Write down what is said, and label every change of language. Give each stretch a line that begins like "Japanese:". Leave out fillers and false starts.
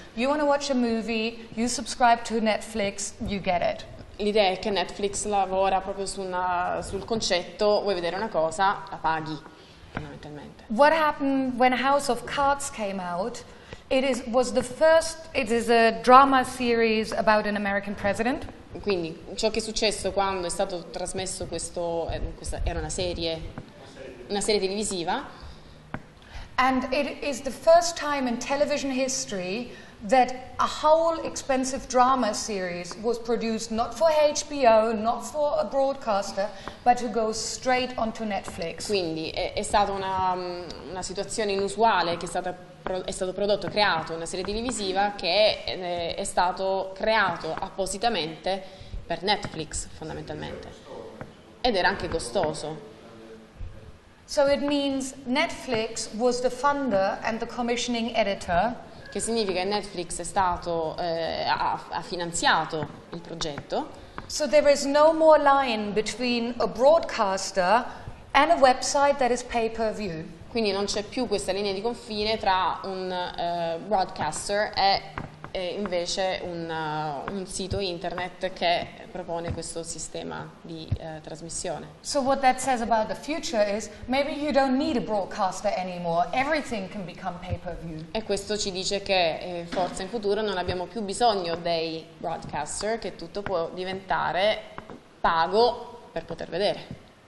English: You want to watch a movie, you subscribe to Netflix, you get it.
Italian: L'idea è che Netflix lavora proprio sul concetto, vuoi vedere una cosa, la paghi. fondamentalmente.
English: What happened when House of Cards came out? It is a drama series about an American president.
Italian: Quindi ciò che è successo quando è stato trasmesso questo questa era una serie televisiva.
English: And it is the first time in television history that a whole expensive drama series was produced not for HBO, not for a broadcaster, but to go straight onto Netflix.
Italian: Quindi è stata una situazione inusuale che è stato prodotto, creato una serie televisiva che è stato creato appositamente per Netflix, fondamentalmente. Ed era anche costoso.
English: So it means Netflix was the funder and the commissioning editor.
Italian: Che significa che Netflix è stato ha finanziato il progetto.
English: So there is no more line between a broadcaster and a website that is pay-per-view.
Italian: Quindi non c'è più questa linea di confine tra un broadcaster e invece un sito internet che propone questo sistema di trasmissione.
English: So what that says about the future is maybe you don't need a broadcaster anymore, everything can become pay-per-view.
Italian: E questo ci dice che forse in futuro non abbiamo più bisogno dei broadcaster, che tutto può diventare pago per poter vedere.